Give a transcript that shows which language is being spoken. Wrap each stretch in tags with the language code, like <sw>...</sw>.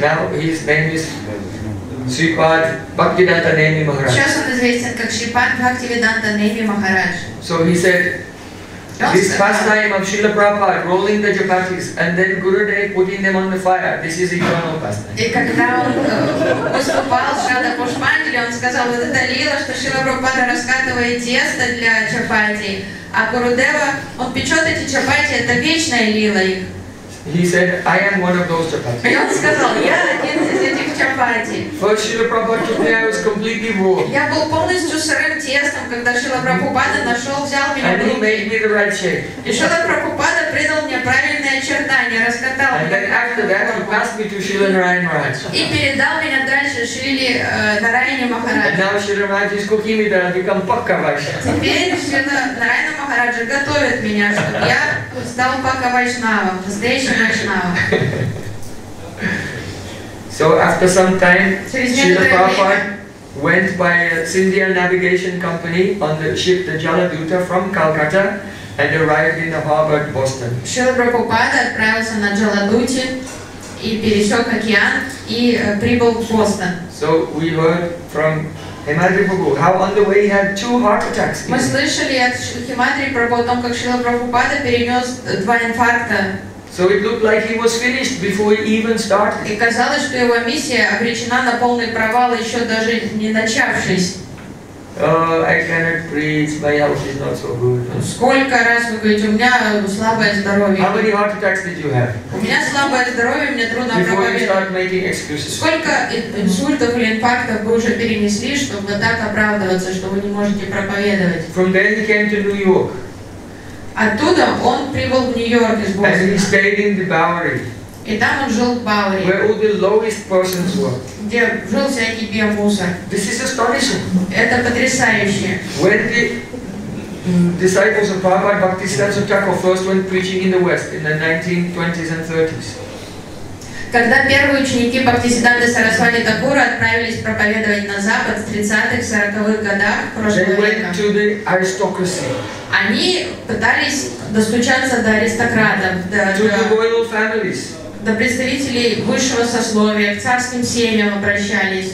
<en>Now his name is Shripad Bhaktivedanta Nemi Maharaj.</en> <ru>Сейчас он известен как Шрипад Бхактивиданта Нейми Махарадж.</ru> <en>So he said, this pastime of Srila Prabhupada rolling the chapatis and then Gurudev putting them on the fire, this is eternal pastime.</en> <ru>И когда он выступал с Шрада Пушпанджали, он сказал, вот это лила, что Шрила Прабхупада раскатывает тесто для чапати, а Гурудева, он печет эти чапати, это вечная лила их.</ru> <en>He said, I am one of those chapatis.</en> <ru>И он сказал, я один из этих чапати. Прабхупаде.</ru> <en>Шрила Прабхупада, I was completely warm.</en> <ru>Я был полностью сырым тестом, когда Шрила Прабхупада нашел, взял меня.</ru> <en>And he made me the right shape.</en> <ru>И Шрила Прабхупада придал мне правильные очертания, раскатал меня.</ru> <en>And then after that, he passed me to Шрила Нараяна Махараджа.</en> <ru>И передал меня дальше Шриле Нараяне Махараджа.</ru> <en>And now Шрила Махараджа is cooking me that I become Пакка Вайшнава.</en> <ru>Теперь Шрила Нараяна Махараджа готовит меня, чтобы я стал Пакка Вайшнава, настоящим Вайшнава.</ru> <en>So after some time, Srila Prabhupada went by a Sindhya Navigation Company on the ship the Jaladuta from Calcutta and arrived in the harbor at Boston.</en> <ru>Srila Prabhupada отправился на Jaladuta и пересек океан и прибыл в Бостон.</ru> <en>So we heard from Himadri Prabhu how on the way he had two heart attacks.</en> <ru>Мы слышали от Himadri Prabhu о том, как Srila Prabhupada перенес два инфаркта.</ru> <en>So it looked like he was finished before he even started.</en> <ru>И казалось, что его миссия обречена на полный провал, еще даже не начавшись.</ru> <en>I cannot preach, my health is not so good.</en> <ru>Сколько раз вы говорите, у меня слабое здоровье.</ru> <en>How many heart attacks did you have?</en> <ru>У меня слабое здоровье, мне трудно</ru> <en>проповедовать. Before you start making excuses.</en> <ru>Сколько инсультов или инфарктов вы уже перенесли, чтобы так оправдываться, что вы не можете проповедовать?</ru> <en>From then he came to New York.</en> <ru>Оттуда он прибыл в Нью-Йорк из Бостона. И там он жил в Бауэри.</ru> <en>Where all the lowest persons were.</en> <ru>Где жил всякий биомусор.</ru> <en>This is astonishing.</en> <ru>Это потрясающе.</ru> <en>When the disciples of Prabhupada Bhaktisiddhanta Thakur first went preaching in the West in the 1920s and 30s.</en> <ru>Когда первые ученики Бхактисиддханты Сарасвати Такура отправились проповедовать на Запад в 30-х, 40-х годах прошлого века, они пытались достучаться до аристократов, до представителей высшего сословия, к царским семьям обращались.</ru>